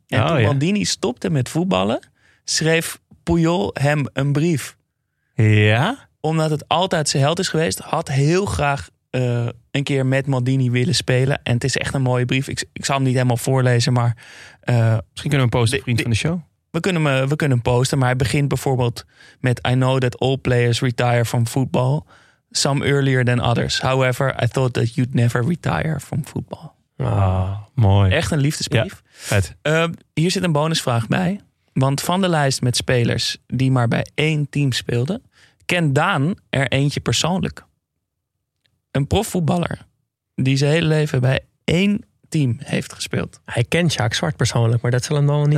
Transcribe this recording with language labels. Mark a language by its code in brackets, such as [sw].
[nl] En Maldini stopte met voetballen, schreef Puyol hem een brief. Ja? Omdat het altijd zijn held is geweest. Had heel graag een keer met Maldini willen spelen. En het is echt een mooie brief. Ik zal hem niet helemaal voorlezen, maar... Misschien kunnen we hem posten, vriend van de show. We kunnen hem posten, maar hij begint bijvoorbeeld met... [en] I know that all players retire from football. Some earlier than others. However, I thought that you'd never retire from football. [nl] Ah, mooi. Echt een liefdesbrief. Ja, hier zit een bonusvraag bij. Want van de lijst met spelers die maar bij één team speelden, kent Daan er eentje persoonlijk. Een profvoetballer die zijn hele leven bij één team heeft gespeeld. Hij kent Sjaak Zwart persoonlijk, maar dat zal hem dan niet zijn.